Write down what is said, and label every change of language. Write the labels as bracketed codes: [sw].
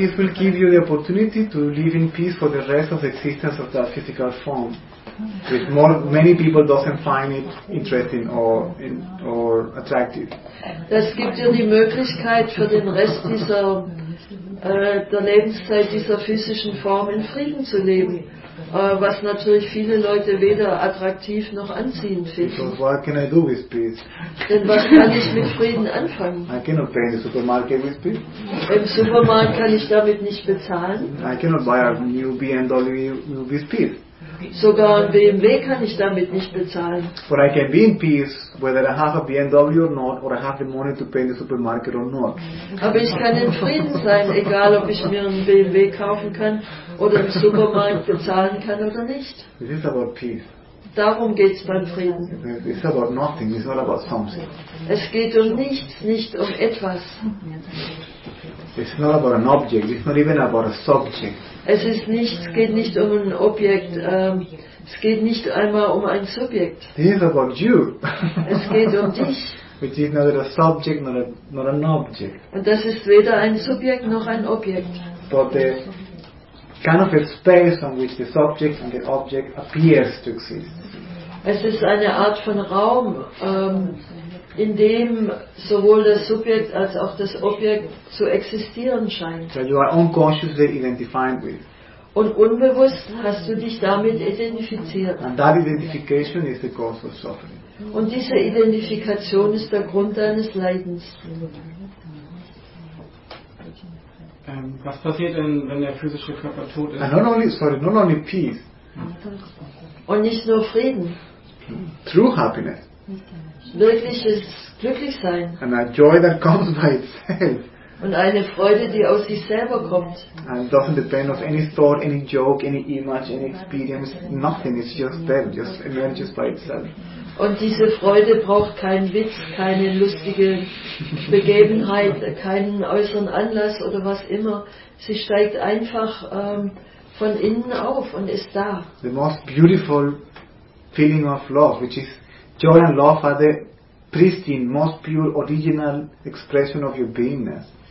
[en] This will give you the opportunity to live in peace for the rest of the existence of that physical form. With more, many people doesn't find it interesting or attractive. [de] Das gibt dir die Möglichkeit, für den Rest dieser der Lebenszeit dieser physischen Form in Frieden zu leben, was natürlich viele Leute weder attraktiv noch anziehend finden. [en] So what can I do with peace? [de] Denn was kann ich mit Frieden anfangen? [en] I cannot pay in the supermarket with peace. [de] Im Supermarkt kann ich damit nicht bezahlen. [en] I cannot buy a new BMW with peace. [de] Sogar ein BMW kann ich damit nicht bezahlen. [en] But I can be in peace whether I have a BMW or not, or I have the money to pay in the supermarket or not. [de] Aber ich kann in Frieden sein, egal ob ich mir ein BMW kaufen kann oder im Supermarkt bezahlen kann oder nicht. [en] It is about peace. [de] Darum geht es beim Frieden. [en] It's about nothing, it's not about something. [de] Es geht um nichts, nicht um etwas. [en] It's not about an object, it's not even about a subject. [de] Es ist nicht, geht nicht um ein Objekt, es geht nicht einmal um ein Subjekt. [en] It is about you. [de] Es geht um dich. [en] Which is neither a subject nor an object. [de] Und das ist weder ein Subjekt noch ein Objekt. [en] But the kind of a space on which the subject and the object appears to exist. [de] Es ist eine Art von Raum, in dem sowohl das Subjekt als auch das Objekt zu existieren scheint. [en] That you are unconsciously identifying with. [de] Und unbewusst hast du dich damit identifiziert. [en] And that identification is the cause of suffering. [de] Und diese Identifikation ist der Grund deines Leidens. Was passiert denn, wenn der physische Körper tot ist? [en] Not only peace. [de] Und nicht nur Frieden. [en] True happiness. [de] Wirkliches Glücklichsein. [en] And a joy that comes by itself. [de] Und eine Freude, die aus sich selber kommt. [en] And doesn't depend on any thought, any joke, any image, any experience, nothing. It's just there, just emerges by itself. [de] Und diese Freude braucht keinen Witz, keine lustige Begebenheit, keinen äußeren Anlass oder was immer. Sie steigt einfach von innen auf und ist da. [en] The most beautiful feeling of love, which is joy and love, are the pristine, most pure, original expression of your beingness.